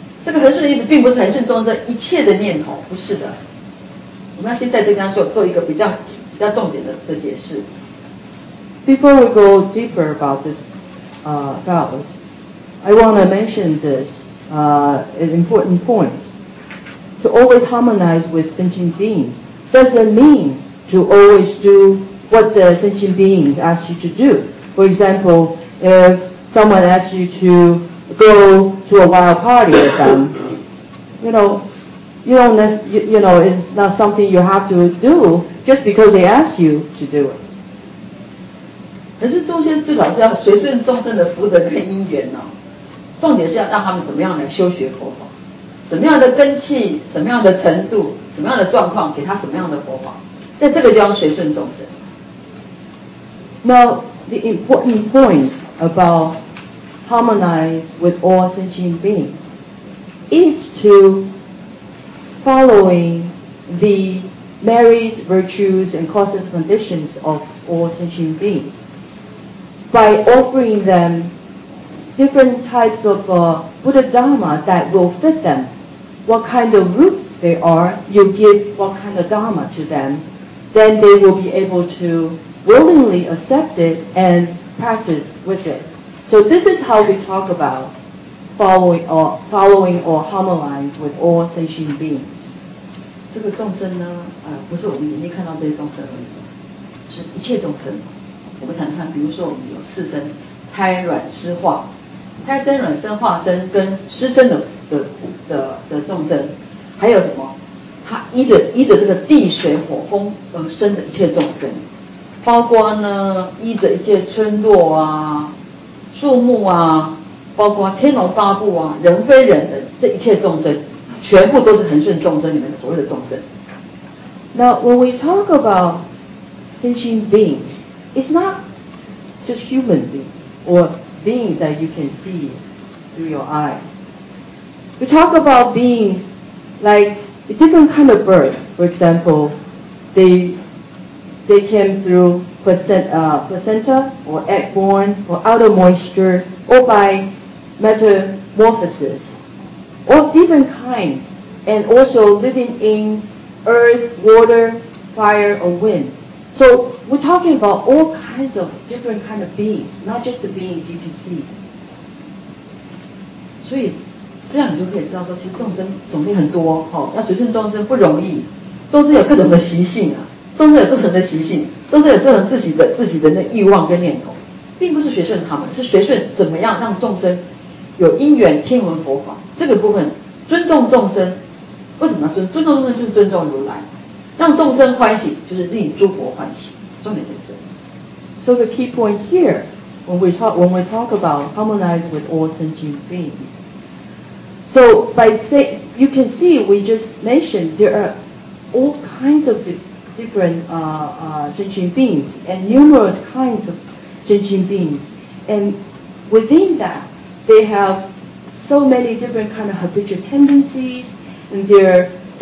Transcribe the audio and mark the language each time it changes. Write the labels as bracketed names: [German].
[Chinese] 这个恒顺的意思并不是恒顺众生一切的念头，不是的。我们要先在这边做一个比较重点的解释。 [English] Before we go deeper about this vows, I want to mention this an important point. To always harmonize with sentient beings doesn't mean to always do what the sentient beings ask you to do. For example,if someone asks you to go to a wild party with them, you know, it's not something you have to do just because they ask you to do it. [Chinese] 可是众生最早是要随顺众生的福德跟因缘呢，重点是要让他们怎么样来修学佛法，什么样的根器，什么样的程度，什么样的状况，给他什么样的佛法，在这个地方随顺众生。 [English] Now the important point. About harmonize with all sentient beings is to following the merits, virtues, and causes, conditions of all sentient beings by offering them different types of Buddha Dharma that will fit them. What kind of roots they are, you give what kind of Dharma to them, then they will be able to willingly accept it and practice with it. So this is how we talk about following or harmonize with all sentient beings. [Chinese] 这个众生呢，不是我们眼睛看到这些众生而已，是一切众生。我们谈谈，比如说我们有四生，胎卵湿化，胎生卵生化生跟湿生的众生，还有什么？他依着这个地水火风而生的一切众生，包括呢依着一切村落啊。树木啊，包括天龙八部啊，人非人的这一切众生，全部都是恒顺众生里面的所谓的众生。 [English] Now when we talk about sentient beings, it's not just human beings or beings that you can see through your eyes. We talk about beings like a different kind of bird. For example, they came through. Placenta or egg-borne or out of moisture or by metamorphosis or different kinds and also living in earth, water, fire or wind. So we're talking about all kinds of different kind of beings, not just the beings you can see. [Chinese] 所以这样你就可以知道说其实众生种类很多、哦、要随顺众生不容易，众生有各种的习性啊，众生有各种的习性，众生有各种自己的那欲望跟念头，并不是学顺他们，是学顺怎么样让众生有因缘听闻佛法。这个部分尊重众生，为什么要尊重众生？就是尊重如来，让众生欢喜，就是令诸佛欢喜。重点在这。 [English] So the key point here, when we talk about harmonizing with all sentient beings, so by say you can see we just mentioned there are all kinds of different sentient beings and numerous kinds of sentient beings, and within that they have so many different kind of habitual tendencies and their thought